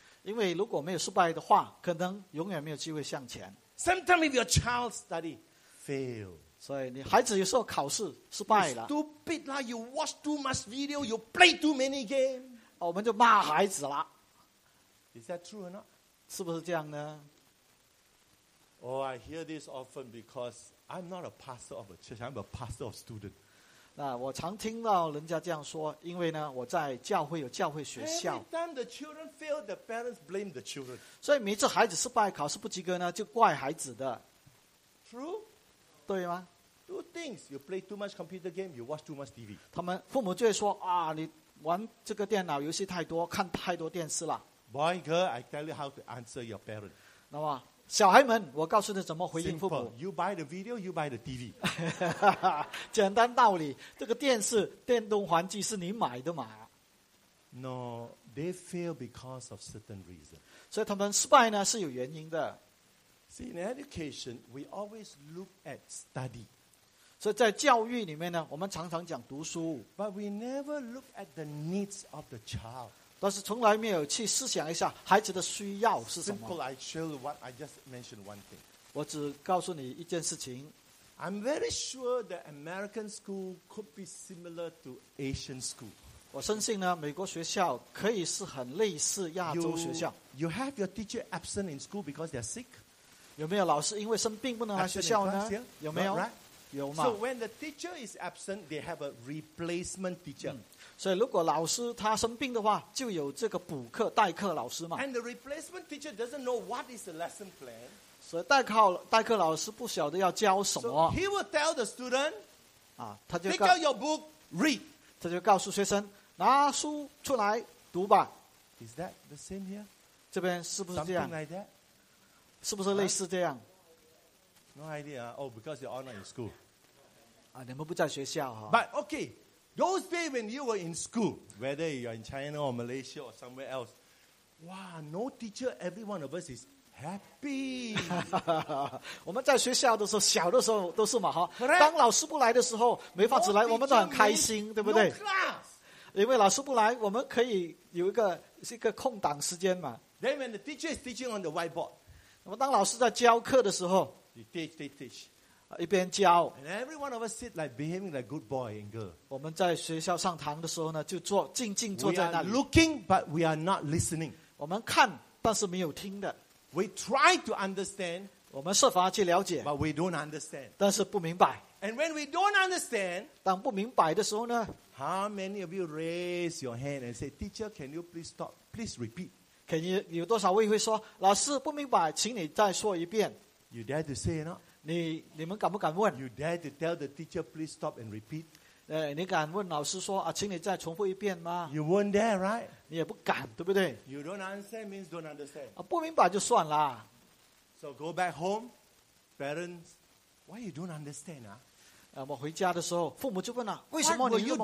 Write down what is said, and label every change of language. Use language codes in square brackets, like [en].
[zh] 因为如果没有失败的话，可能永远没有机会向前。 [en] Sometimes if your child study fail. [zh] 所以你孩子有时候考试失败了。 [en] You're stupid lah. You watch too much video. You play too many games. [zh] 我们就骂孩子了。 [en] Is that true or not? [zh] 是不是这样呢? [en] Oh, I hear this often because I'm not a pastor of a church. I'm a pastor of students. [zh] 那我常听到人家这样说，因为呢，我在教会有教会学校。 [en] Every time the children fail, the parents blame the children. [zh] 所以每次孩子失败，考试不及格呢，就怪孩子的。 [en] True? [zh] 对吗? [en] Two things. You play too much computer game, you watch too much TV. [zh] 他们父母就会说，啊，你玩这个电脑游戏太多，看太多电视了。 [en] Boy, girl, I tell you how to answer your parents. [zh] 那么，小孩们，我告诉你怎么回应父母。 [en] You buy the video, you buy the TV. [zh] 简单道理，这个电视、电动玩具是你买的嘛 [en] ？No, they fail because of certain reason. [zh] 所以他们失败呢是有原因的。 [en] See, in education, we always look at study. [zh] 所以在教育里面呢，我们常常讲读书。 [en] But we never look at the needs of the child. [zh] 但是从来没有去思想一下孩子的需要是什么。 [en] Simple, I show you what I just mentioned one thing. [zh] 我只告诉你一件事情。 [en] I'm very sure that American school could be similar to Asian school. [zh] 我深信呢，美国学校可以是很类似亚洲学校。 [en] You have your teacher absent in school because they're sick. [zh] 有没有老师因为生病不能来学校呢？有没有？ [en] Not right. [zh] 有嘛。 [en] So when the teacher is absent, they have a replacement teacher. [zh] 所以如果老师他生病的话，就有这个补课代课老师嘛。 [en] And the replacement teacher doesn't know what is the lesson plan. [zh] 所以代课老师不晓得要教什么。 [en] So he will tell the student, [zh] 他就 [en] take out your book, read. [zh] 他就告诉学生拿书出来读吧。 [en] Is that the same here? [zh] 这边是不是这样 [en] ？Something like that. [zh] 是不是类似这样 [en] ？No idea. Oh, because you're not in school. [zh] 你们不在学校哈。 [en] But okay. Those days when you were in school, whether you're in China or Malaysia or somewhere else, wow, no teacher, every one of us is happy. [zh] 我们在学校的时候，小的时候都是嘛哈。当老师不来的时候，没法子来，我们都很开心，对不对 [en] ？No class. [zh] 因为老师不来，我们可以有一个空档时间嘛。 [en] Then when the teacher is teaching on the whiteboard, [zh] 那么当老师在教课的时候 [en] You teach, teach, teach. [zh] 一边教, [en] and every one of us sit like behaving like a good boy and girl. [zh] 我们在学校上堂的时候呢, 就坐, 静静坐在那里。 [en] We are looking, but we are not listening. [zh] 我们看, 但是没有听的。 [en] We try to understand, [zh] 我们设法去了解, [en] but we don't understand. [zh] 但是不明白。 [en] And when we don't understand, [zh] 当不明白的时候呢, [en] how many of you raise your hand and say, teacher, can you please stop? Please repeat. [zh] 有多少位会说, 老师不明白, 请你再说一遍。 [en] You dare to say it not? [zh] 你们敢不敢问? [en] You dare to tell the teacher, please stop and repeat? [zh] 你敢问老师说, 啊, 请你再重复一遍吗? [en] You weren't there, right? [zh] 你也不敢, 对不对? [en] You don't understand means don't understand. [zh] 啊, 不明白就算了。 [en] So go back home, parents, why you don't understand? [zh] 我回家的时候, 父母就问了, 为什么你这么笨?